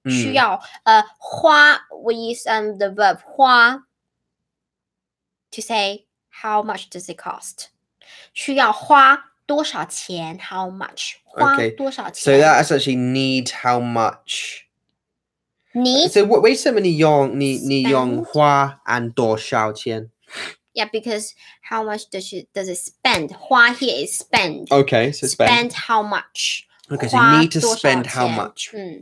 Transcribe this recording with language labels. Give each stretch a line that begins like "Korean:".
English: 需要, hua, we use the verb hua to say how much does it cost?
Chinese: 需要花多少钱?
English: How much?
Chinese: 花多少钱?
English: So that's actually need how much. Need? So what,
Chinese: 为什么你用, 你用花 and 多少钱?
English: Yeah, because how much does, you, does it spend? 花 here is spend. Okay, so spend. Spend how much? Okay, so you need to spend how much?